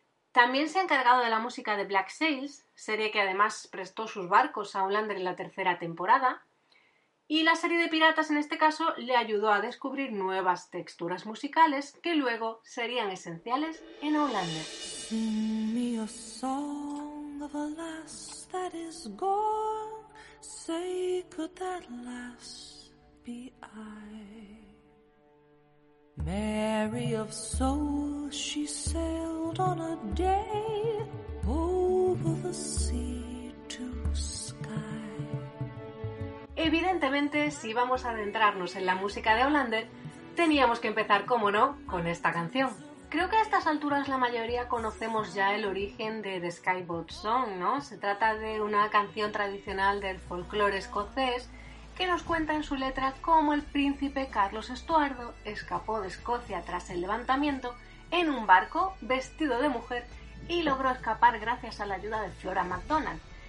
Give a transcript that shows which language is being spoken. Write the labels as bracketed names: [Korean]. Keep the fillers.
[Spanish] También se ha encargado de la música de Black Sails, serie que además prestó sus barcos a Outlander en la tercera temporada. Y la serie de piratas en este caso le ayudó a descubrir nuevas texturas musicales que luego serían esenciales en Outlander. [English] Sing me a song of a lass that is gone. Say, could that lass be I? Mary of Soul, she sailed on a day over the sea to sky. [Spanish] Evidentemente, si vamos a adentrarnos en la música de Hollander, teníamos que empezar, como no, con esta canción. Creo que a estas alturas la mayoría conocemos ya el origen de The Skyboat Song, ¿no? Se trata de una canción tradicional del folclore escocés que nos cuenta en su letra cómo el príncipe Carlos Estuardo escapó de Escocia tras el levantamiento en un barco vestido de mujer y logró escapar gracias a la ayuda de Flora MacDonald.